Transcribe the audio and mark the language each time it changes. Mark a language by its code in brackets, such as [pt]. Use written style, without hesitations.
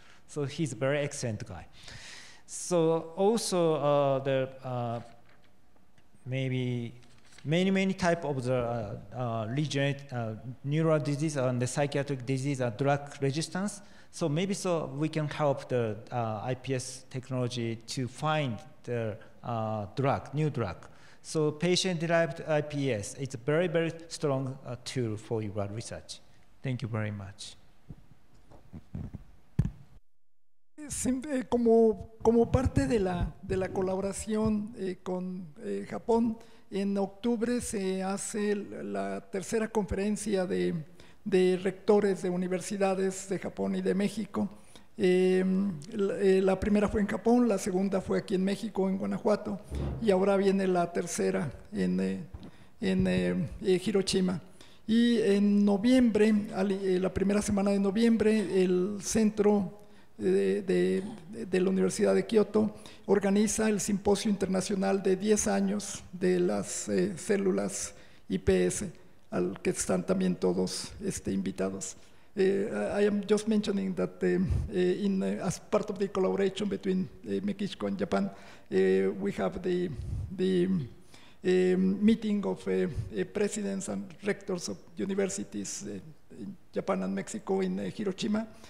[en] So he's a very excellent guy. So also maybe many type of the neural disease and the psychiatric disease are drug resistance. So maybe so we can help the iPS technology to find the new drug. So patient-derived iPS, it's a very, very strong tool for your research. Thank you very much. [es] Como parte de la colaboración con Japón, en octubre se hace la tercera conferencia de rectores de universidades de Japón y de México. La primera fue en Japón, la segunda fue aquí en México, en Guanajuato, y ahora viene la tercera en Hiroshima. Y en noviembre, la primera semana de noviembre, el centro de la Universidad de Kioto organiza el simposio internacional de 10 años de las células IPS, al que están también todos invitados. [en] I am just mentioning that as part of the collaboration between Mexico and Japan, we have the meeting of presidents and rectors of universities in Japan and Mexico in Hiroshima.